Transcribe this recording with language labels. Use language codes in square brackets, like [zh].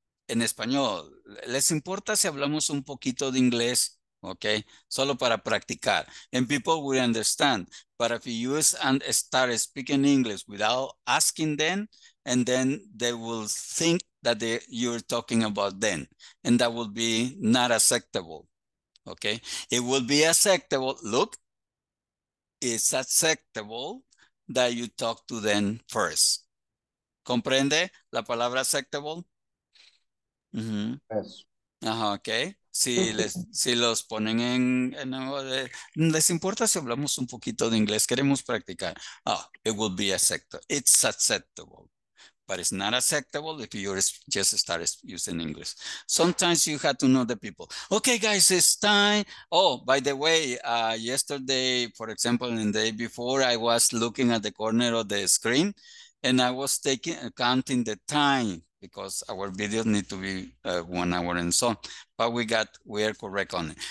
[es] En español, ¿les importa si hablamos un poquito de inglés? [en] Okay, [es] solo para practicar. [en] And people will understand. But if you use and start speaking English without asking them, and then they will think that you're talking about them. And that will be not acceptable. Okay, it will be acceptable. Look, it's acceptable that you talk to them first. [es] ¿Comprende la palabra acceptable? Mm-hmm. [en] Yes. Uh-huh, okay. [es] Si los ponen en ¿les importa si hablamos un poquito de inglés? Queremos practicar. [en] Oh, it will be acceptable. It's acceptable. But it's not acceptable if you just start using English. Sometimes you have to know the people. Okay, guys, it's time. Oh, by the way, yesterday, for example, and the day before, I was looking at the corner of the screen and I was counting the time, because our videos need to be 1 hour and so on, but we are correct on it.